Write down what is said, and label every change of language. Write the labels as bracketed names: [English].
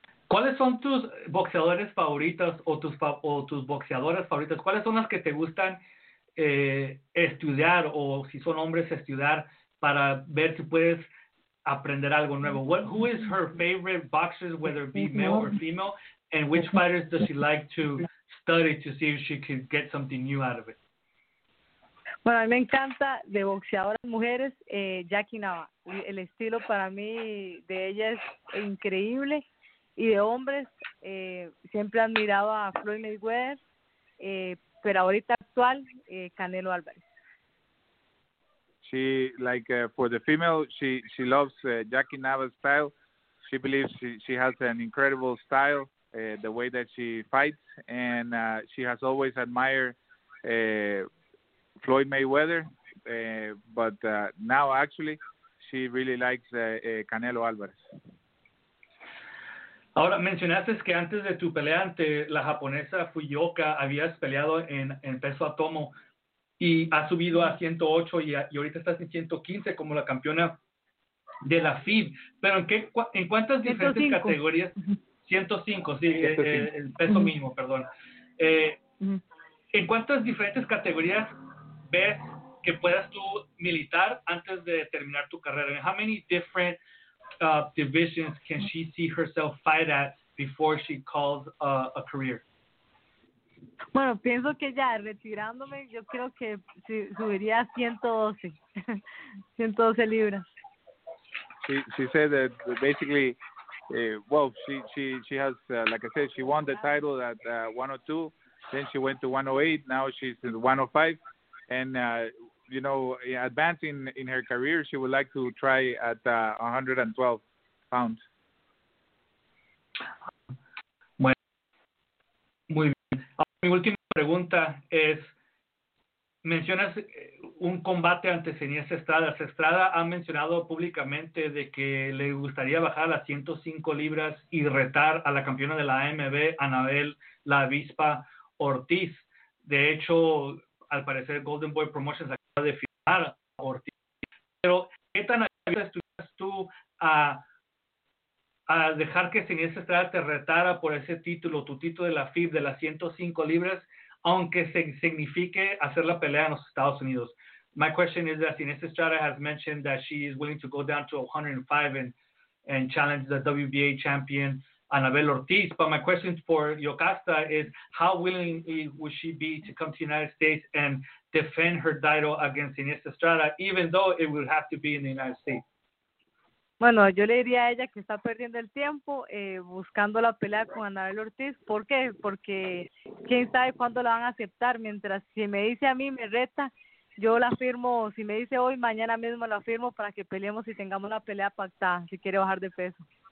[Spanish] ¿Cuáles son tus boxeadores favoritas o tus boxeadoras favoritas? ¿Cuáles son las que te gustan estudiar, o si son hombres, estudiar para ver si puedes aprender algo nuevo? [English] Who is her favorite boxers, whether it be male or female, and which fighters does she like to study to see if she can get something new out of it? [Spanish] Bueno, a mí me encanta de boxeadoras mujeres, Jackie Nava. El estilo para mí de ella es increíble. Y de hombres, siempre admiraba a Floyd Mayweather, pero ahorita actual, Canelo Álvarez. [English] She, like, for the female, she loves Jackie Nava's style. She believes she has an incredible style, the way that she fights, and she has always admired Floyd Mayweather, but now, actually, she really likes Canelo Álvarez. [Spanish] Ahora, mencionaste que antes de tu pelea ante la japonesa Fuyoka, habías peleado en peso atomo y has subido a 108 y ahorita estás en 115 como la campeona de la FIB. Pero ¿en cuántas diferentes 105. Categorías? 105, sí, 105. El peso mínimo, perdón. ¿En cuántas diferentes categorías ves que puedas tú militar antes de terminar tu carrera? [English] How many different divisions can she see herself fight at before she calls a career? [Spanish] Bueno, pienso que ya retirándome, yo creo que subiría 112, 112 libras. [English] She said that basically, she has, like I said, she won the title at 102, then she went to 108, now she's in 105, and you know, advancing in her career, she would like to try at 112 pounds. [Spanish] Bueno, muy bien. Mi última pregunta es, mencionas un combate ante Zeniese Estrada. Estrada ha mencionado públicamente de que le gustaría bajar a 105 libras y retar a la campeona de la AMB, Anabel La Avispa Ortiz. De hecho, al parecer, Golden Boy Promotions de firmar a Ortiz, pero ¿qué tan abierta estuvieras tú a dejar que Zeniese Estrada te retara por ese título, tu título de la FIB de las 105 libras, aunque signifique hacer la pelea en los Estados Unidos? [English] My question is that Zeniese Estrada has mentioned that she is willing to go down to 105 and challenge the WBA champion Anabel Ortiz, but my question for Yocasta is, how willingly would she be to come to the United States and defend her title against Zeniese Estrada, even though it would have to be in the United States? [Spanish] Bueno, yo le diría a ella que está perdiendo el tiempo buscando la pelea con Anabel Ortiz. ¿Por qué? Porque quién sabe cuándo la van a aceptar. Mientras, si me dice a mí, me reta, yo la firmo. Si me dice hoy, mañana mismo la firmo para que peleemos y tengamos una pelea pactada, si quiere bajar de peso.